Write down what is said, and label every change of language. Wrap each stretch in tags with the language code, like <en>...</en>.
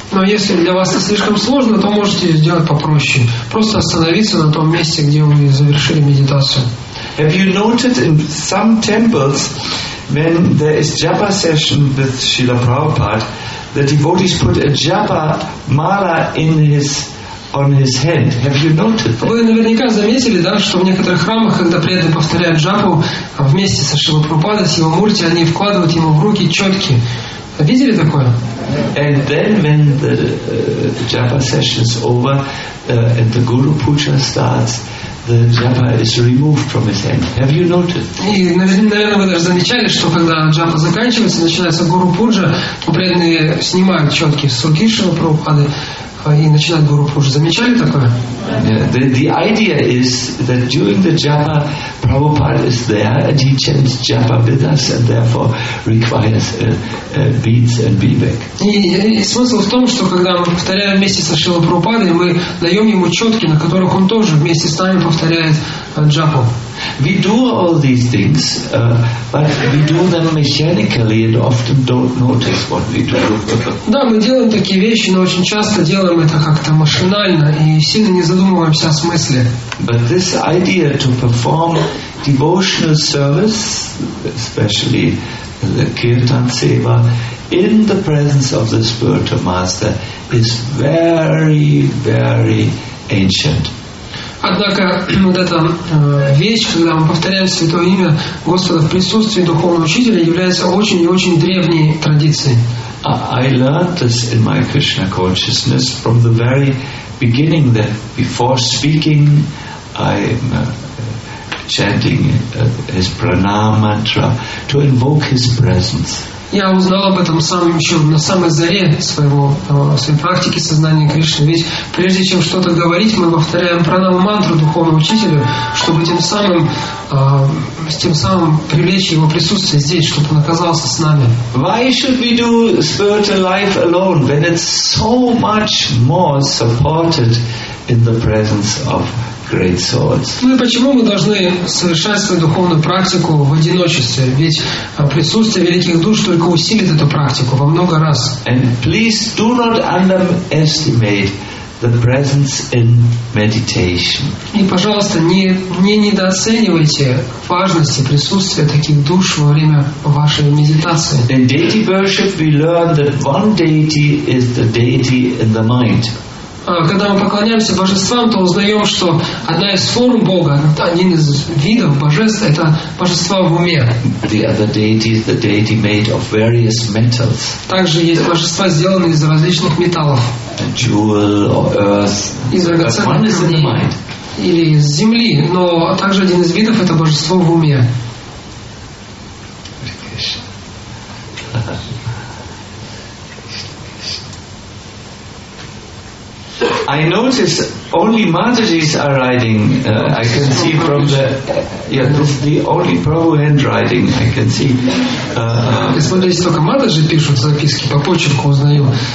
<ru>Но если для вас это слишком сложно, то можете сделать попроще. Просто остановиться на том месте, где вы завершили медитацию.</ru> <en>Have you noted in some temples when there is japa session with Srila Prabhupada, the devotees put a japa mala on his head? Have you noted that?</en> <ru>Вы наверняка заметили, да, что в некоторых храмах, когда преданные повторяют джапу вместе со Шрилой Прабхупадой, с его мурти, они вкладывают ему в руки четки. Видели такое?</ru> <en>And then when the japa session is over and the guru puja starts, the japa is removed from his hand. Have you noted?</en> <ru>И, наверное, вы даже замечали, что когда джапа заканчивается, начинается гуру пуджа, то преданные снимают четки с руки Шрилы Прабхупады и начинают гуру пуджу. Замечали такое?</ru> <en>Yeah, the idea is that during the japa, Prabhupada is there and he chants japa with us and therefore requires beads and vivek.</en> <ru>И смысл в том, что когда мы повторяем вместе со Шрилой Прабхупадой, мы даем ему четки, на которых он тоже вместе с нами повторяет джапу.</ru> <en>We do all these things, but we do them mechanically and often don't notice what we do.</en> <ru>Да, мы делаем такие вещи, но очень часто делаем это как-то машинально и сильно не задумываемся о смысле.</ru> <en>But this idea to perform devotional service, especially the kirtan seva, in the presence of the spiritual master, is very, very ancient.</en> <ru>Однако вот эта вещь, когда мы повторяем святое имя Господа в присутствии духовного учителя, является очень и очень древней традицией.</ru> <en>I learned this in my Krishna consciousness from the very beginning, that before speaking I'm chanting his pranam mantra to invoke his presence.</en> <ru>Я узнал об этом на самой заре своей практики сознания Кришны. Ведь прежде чем что-то говорить, мы повторяем пранаму-мантру духовному учителю, чтобы тем самым привлечь его присутствие здесь, чтобы он оказался с нами.</ru> <en>Why should we do spiritual life alone when it's so much more supported in the presence of great souls?</en> <ru>Ну и почему мы должны совершать свою духовную практику в одиночестве? Ведь присутствие великих душ только усилит эту практику во много раз.</ru> <en>And please do not underestimate the presence in meditation.</en> <ru>И, пожалуйста, не недооценивайте важности присутствия таких душ во время вашей медитации.</ru> <en>In deity worship we learn that one deity is the deity in the mind.</en> <ru>Когда мы поклоняемся божествам, то узнаем, что одна из форм Бога, один из видов божества, это божество в уме.</ru> <en>The other deity is the deity made of various metals.</en> <ru>Также есть божества, сделанные из различных металлов.</ru> <en>A jewel or earth.</en> <ru>Из драгоценных камней. Или из земли. Но также один из видов это божество в уме.</ru> <en>I notice only Matajis are riding. I can see from the the only Prabhu hand writing. I can see.</en> <ru>Смотрите, только Матаджи пишут записки по почерку узнаю.</ru>